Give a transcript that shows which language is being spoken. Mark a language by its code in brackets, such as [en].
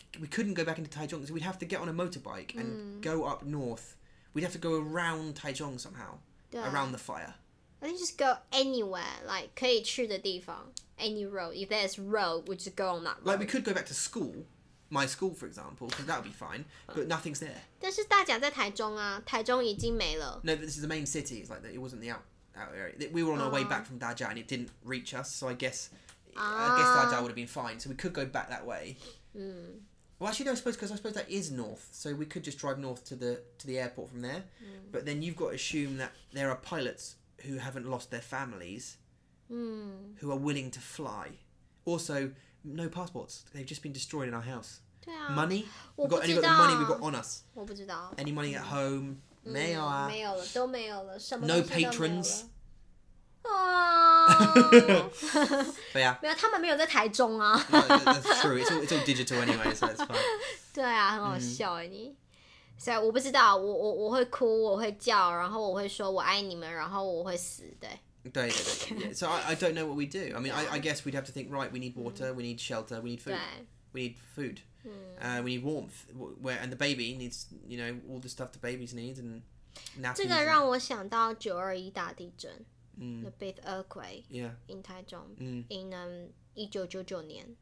[en] We couldn't go back into Taichung, so we'd have to get on a motorbike and go up north. We'd have to go around Taichung somehow, around the fire. I think just go anywhere, like, [zh] 可以去的地方 [en] any road. If there's road, we just go on that road. Like, we could go back to school, my school, for example, because that would be fine, but nothing's there. [zh] 但是大甲在台中啊，台中已经没了。 [en] No, this is the main city. It's like, it wasn't the out area. We were on our way back from 大甲, and it didn't reach us, so I guess 大甲would have been fine, so we could go back that way. Well, actually, no, I suppose that is north, so we could just drive north to the airport from there, but then you've got to assume that there are pilots...who haven't lost their families, who are willing to fly. Also, no passports. They've just been destroyed in our house. [zh] 对啊, [en] money? We've got, got the money we've got on us. [zh] 我不知道, [en] any money at home? [zh] 没有啊。没有了, [en] no patrons? But yeah. [zh] 没有,他们没有在台中啊。 [en] No, that's true. It's all digital anyway, so it's fine. [zh] 对啊,很好笑耶。所以我不知道,我会哭,我会叫,然后我会说我爱你们,然后我会死,对。对对对, [en] yeah. So I don't know what we do. I mean, I guess we'd have to think, right, we need water, we need shelter, we need food. [zh] 对. [en] We need food. We need warmth. Where, and the baby needs, you know, all the stuff the babies need and nappies. [zh] 这个让我想到921大地震, [en] the big earthquake in Taichung in [zh] 1999年,